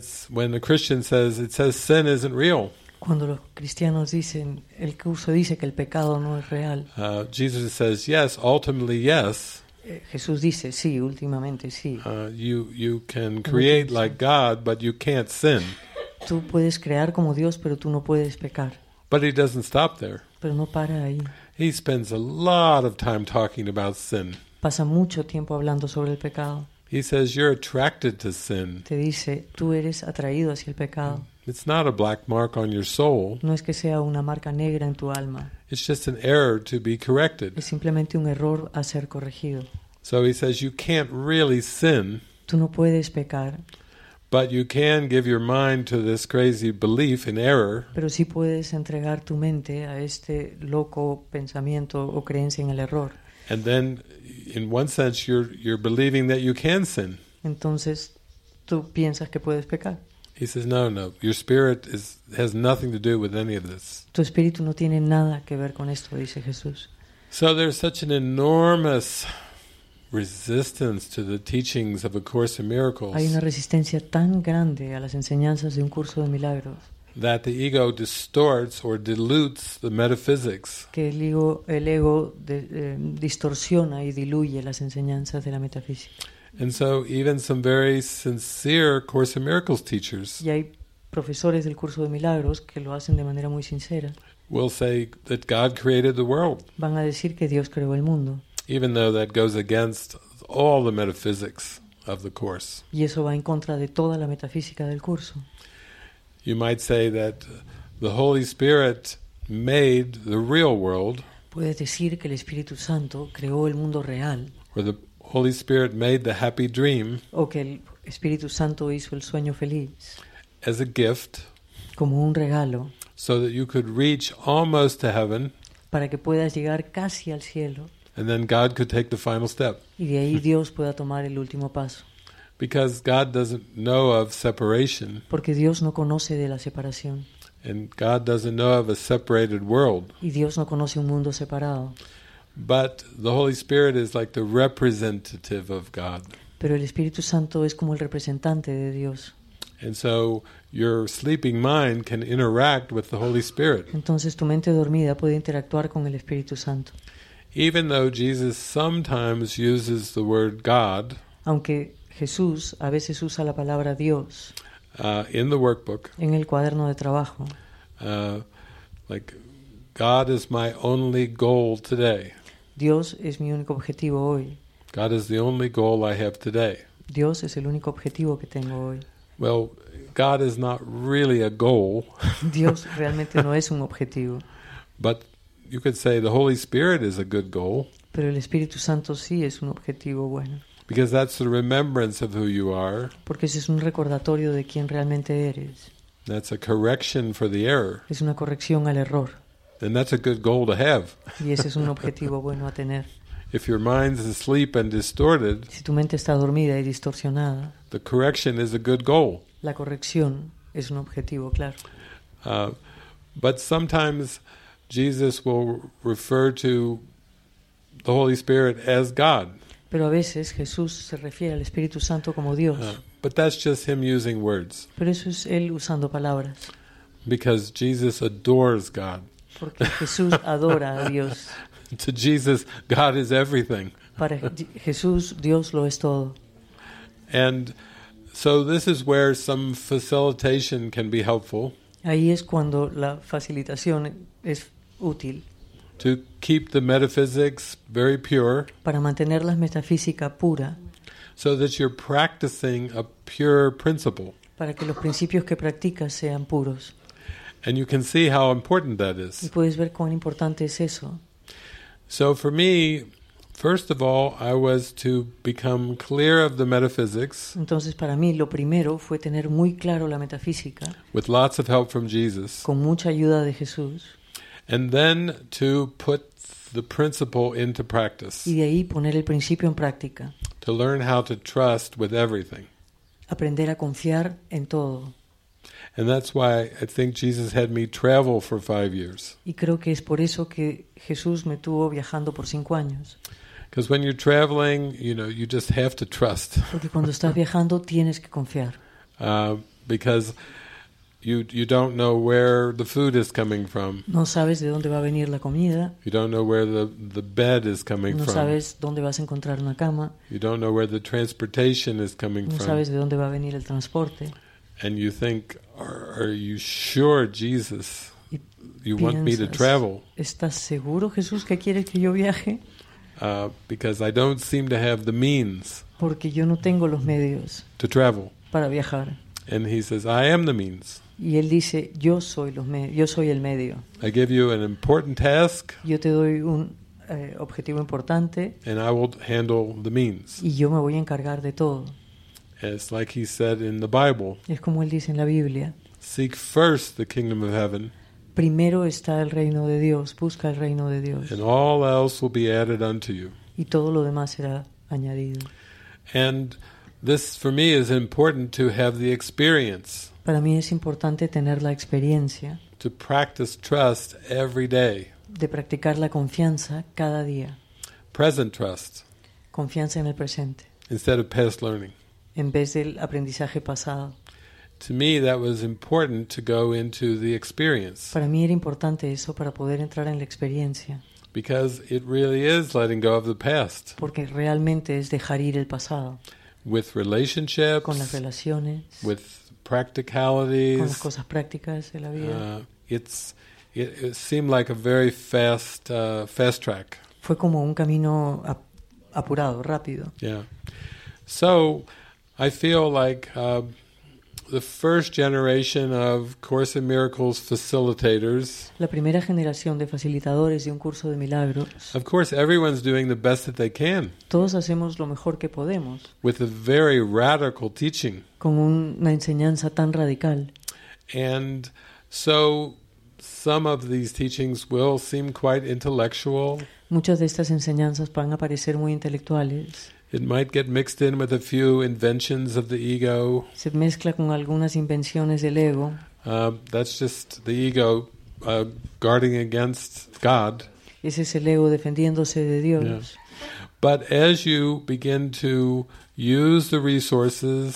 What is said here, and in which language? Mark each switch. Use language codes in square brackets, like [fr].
[en] When a Christian says, it says sin isn't real. [es] Cuando los cristianos dicen, el curso dice que el pecado no es real. [en] Jesus says, yes, ultimately yes. [es] Jesús dice, sí, últimamente sí. [en] You can create like God, but you can't sin. [es] Tú puedes crear como Dios, pero tú no puedes pecar. [en] But he doesn't stop there. [es] Pero no para ahí. [en] He spends a lot of time talking about sin. [es] Pasa mucho tiempo hablando sobre el pecado. [en] He says you're attracted to sin. [es] Te dice, tú eres atraído hacia el pecado. [en] It's not a black mark on your soul. [es] No es que sea una marca negra en tu alma. [en] It's just an error to be corrected. [es] Es simplemente un error a ser corregido. [en] So he says you can't really sin. [es] Tú no puedes pecar. [en] But you can give your mind to this crazy belief in error. [es] Pero sí puedes entregar tu mente a este loco pensamiento o creencia en el error. [en] And then, in one sense, you're believing that you can sin. [es] Entonces, tú piensas que puedes pecar. [en] He says, no. Your spirit has nothing to do with any of this. [es] Tu espíritu no tiene nada que ver con esto, dice Jesús. [en] So there's such an enormous resistance to the teachings of A Course in Miracles. [es] Hay una resistencia tan grande a las enseñanzas de un curso de milagros. [en] that the ego distorts or dilutes the metaphysics. [es] Que el ego distorsiona y diluye las enseñanzas de la metafísica. [en] And so even some very sincere Course in Miracles teachers. [es] Y hay profesores del curso de milagros que lo hacen de manera muy sincera. [en] Will say that God created the world. [es] Van a decir que Dios creó el mundo. [en] Even though that goes against all the metaphysics of the course. [es] Y eso va en contra de toda la metafísica del curso. [en] You might say that the Holy Spirit made the real world. [es] Puedes decir que el Espíritu Santo creó el mundo real. [en] Or the Holy Spirit made the happy dream. [es] O que el Espíritu Santo hizo el sueño feliz. [en] As a gift. [es] Como un regalo. [en] So that you could reach almost to heaven. [es] Para que puedas llegar casi al cielo. [en] And then God could take the final step. [es] Y de ahí Dios pueda tomar el último paso. [en] Because God doesn't know of separation. [es] Porque Dios no conoce de la separación. [en] And God doesn't know of a separated world. [es] Y Dios no conoce un mundo separado. [en] But the Holy Spirit is like the representative of God. [es] Pero el Espíritu Santo es como el representante de Dios. [en] And so your sleeping mind can interact with the Holy Spirit. [es] Entonces tu mente dormida puede interactuar con el Espíritu Santo. [en] Even though Jesus sometimes uses the word God, [es] aunque Jesús a veces usa la palabra Dios, [en] in the workbook, [es] en el cuaderno de trabajo, [en] like God is my only goal today. [es] Dios es mi único objetivo hoy. [en] God is the only goal I have today. [es] Dios es el único objetivo que tengo hoy. [en] Well, God is not really a goal. [es] Dios realmente no es un objetivo. [en] But you could say the Holy Spirit is a good goal. [es] Pero el Espíritu Santo sí es un objetivo bueno. [en] Because that's the remembrance of who you are. [es] Porque ese es un recordatorio de quién realmente eres. [en] That's a correction for the error. [es] Es una corrección al error. [en] And that's a good goal to have. [es] Y ese es un objetivo bueno a tener. [en] If your mind's asleep and distorted, [es] si tu mente está dormida y distorsionada, [en] the correction is a good goal. [es] La corrección es un objetivo claro. [en] But sometimes Jesus will refer to the Holy Spirit as God. [es] Pero a veces Jesús se refiere al Espíritu Santo como Dios. [en] But that's just him using words. [es] Pero eso es él usando palabras. [en] Because Jesus adores God. [es] Porque Jesús adora a Dios. [en] To Jesus, God is everything. [es] Para Jesús, Dios lo es todo. [en] And so this is where some facilitation can be helpful. [es] Ahí es cuando la facilitación es útil. [en] To keep the metaphysics very pure. [es] Para mantener la metafísica pura. [en] So that you're practicing a pure principle. [es] Para que los principios que practicas sean puros. [en] And you can see how important that is. [es] Y puedes ver cuán importante es eso. [en] So for me, first of all, I was to become clear of the metaphysics. [es] Entonces para mí lo primero fue tener muy claro la metafísica. [en] With lots of help from Jesus. [es] Con mucha ayuda de Jesús. [en] And then to put the principle into practice. [es] Y de ahí poner el principio en práctica. [en] To learn how to trust with everything. [es] Aprender a confiar en todo. [en] And that's why I think Jesus had me travel for 5 years. [es] Y creo que es por eso que Jesús me tuvo viajando por 5 años. [en] Because when you're traveling, you know, you just have to trust. [es] Porque cuando estás viajando tienes que confiar. [en] Because you don't know where the food is coming from. [es] No sabes de dónde va a venir la comida. [en] You don't know where the bed is coming from. [es] No sabes dónde vas a encontrar una cama. [en] You don't know where the transportation is coming from. [es] No sabes de dónde va a venir el transporte. [en] And you think, are you sure, Jesus, you [es] piensas, [en] want me to travel? [es] ¿Estás seguro, Jesús, que quieres que yo viaje? [en] Because I don't seem to have the means. [es] Porque yo no tengo los medios. [en] To travel. [es] Para viajar. [en] And he says, I am the means. [es] Y él dice, yo soy los medios. Yo soy el medio. [en] I give you an important task. [es] Yo te doy un objetivo importante. [en] And I will handle the means. [es] Y yo me voy a encargar de todo. [en] It's like he said in the Bible. [es] Es como él dice en la Biblia. [en] Seek first the kingdom of heaven. [es] Primero está el reino de Dios. Busca el reino de Dios. [en] And all else will be added unto you. [es] Y todo lo demás será añadido. [en] And this, for me, is important to have the experience. [es] Para mí es importante tener la experiencia. [en] To practice trust every day. [es] De practicar la confianza cada día. [en] Present trust. [es] Confianza en el presente. [en] Instead of past learning. [es] En vez del aprendizaje pasado. [en] To me, that was important to go into the experience. [es] Para mí era importante eso para poder entrar en la experiencia. [en] Because it really is letting go of the past. [es] Porque realmente es dejar ir el pasado. [en] With relationships. [es] Con las relaciones. [en] With practicalities. [es] Con las cosas prácticas de la vida. [en] It seemed like a very fast track. [es] Fue como un camino apurado, rápido. [en] Yeah. So, I feel like the first generation of Course in Miracles facilitators. [es] La primera generación de facilitadores de un curso de milagros. [en] Of course, everyone's doing the best that they can. [es] Todos hacemos lo mejor que podemos. [en] With a very radical teaching. [es] Con una enseñanza tan radical. [en] And so, some of these teachings will seem quite intellectual. [es] Muchas de estas enseñanzas van a parecer muy intelectuales. [en] It might get mixed in with a few inventions of the ego. [es] Se mezcla con algunas invenciones del ego. [en] That's just the ego guarding against God. [es] Ese es el ego defendiéndose de Dios. Yeah. [en] But as you begin to use the resources,